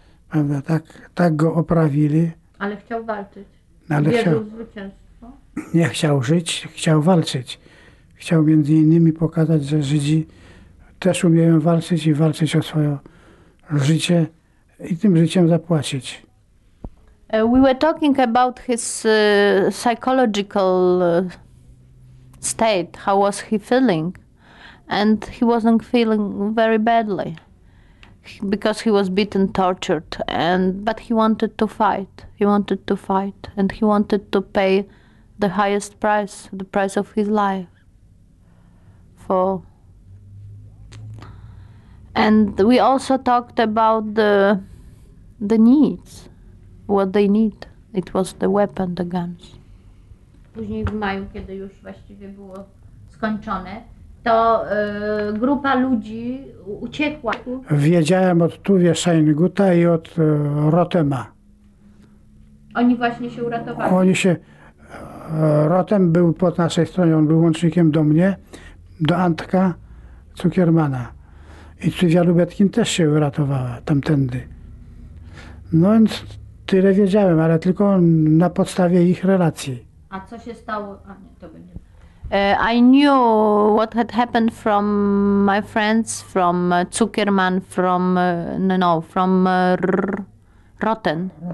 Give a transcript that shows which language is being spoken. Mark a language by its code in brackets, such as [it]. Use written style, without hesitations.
[pl] Prawda? Tak go oprawili. Ale chciał walczyć. Ale chciał. Wierzył w zwycięstwo? Nie chciał żyć, chciał walczyć. Chciał między innymi pokazać, że Żydzi też umieją walczyć i walczyć o swoje życie. I tym życiem zapłacić. [en] We were talking about his psychological state. How was he feeling? And he wasn't feeling very badly because he was beaten, tortured, but he wanted to fight. He wanted to fight, and he wanted to pay the highest price, the price of his life. And we also talked about the needs, what they need. It was the weapon, the guns. [pl] Później w maju, kiedy już właściwie było skończone, to grupa ludzi uciekła. Wiedziałem od Tuwie Scheininguta i od Rotema. Oni właśnie się uratowali. Oni się. Rotem był po naszej stronie, on był łącznikiem do mnie, do Antka Zuckermana. I Tuwia Lubetkin też się uratowała tamtędy. No więc tyle wiedziałem, ale tylko na podstawie ich relacji. A co się stało? A nie, to będzie. [en] I knew what had happened from my friends, from Zuckerman, from from Rotten.